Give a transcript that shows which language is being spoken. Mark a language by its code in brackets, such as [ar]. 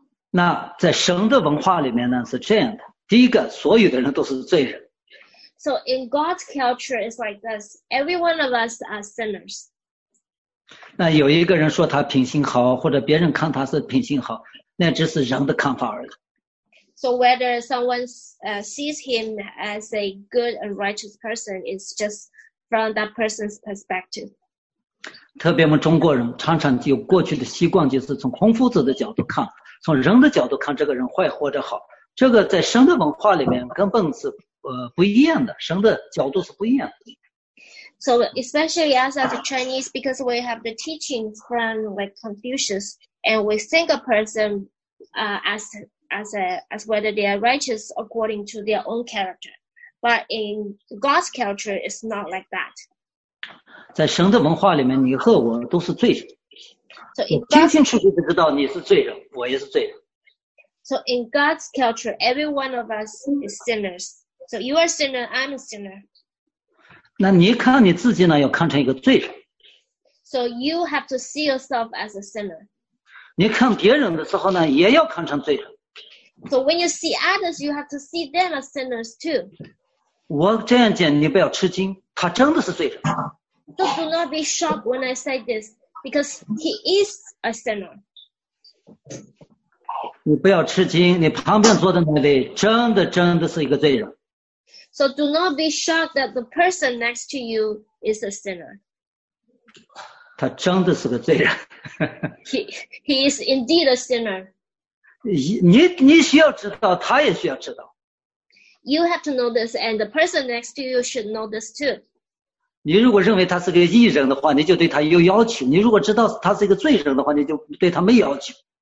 [zh] 那在神的文化里面呢是这样的，第一个所有的人都是罪人。 [en] So in God's culture, it's like this. Every one of us are sinners. [zh] 那有一个人说他品行好，或者别人看他是品行好，那只是人的看法而已。 [en] So whether someone sees him as a good and righteous person is just from that person's perspective. [zh] 特别我们中国人常常有过去的习惯，就是从孔夫子的角度看，从人的角度看这个人坏或者好，这个在神的文化里面根本是不一样的，神的角度是不一样的。 [en] So especially us as a Chinese, because we have the teachings from like Confucius, and we think a person as whether they are righteous according to their own character. But in God's culture, it's not like that. [zh] 在神的文化里面，你和我都是罪人。 [en] So [zh] 清清楚楚就知道你是罪人，我也是罪人。 [en] So in God's culture, every one of us is sinners. So you are a sinner, I'm a sinner. [zh] 那你看你自己呢？要看成一个罪人。 [en] So you have to see yourself as a sinner. [zh] 你看别人的时候呢，也要看成罪人。 [en] So when you see others, you have to see them as sinners too. [zh] 我这样讲，你不要吃惊，他真的是罪人。 [en] So do not be shocked when I say this, because he is a sinner. [zh] 你不要吃惊，你旁边坐的那位真的真的是一个罪人。 [en] So do not be shocked that the person next to you is a sinner. [zh] 他真的是个罪人。 [en] He is indeed a sinner. [zh] 你需要知道，他也需要知道。 [en] You have to know this, and the person next to you should know this too. [zh] 你如果认为他是个义人的话，你就对他有要求；你如果知道他是一个罪人的话，你就对他没要求。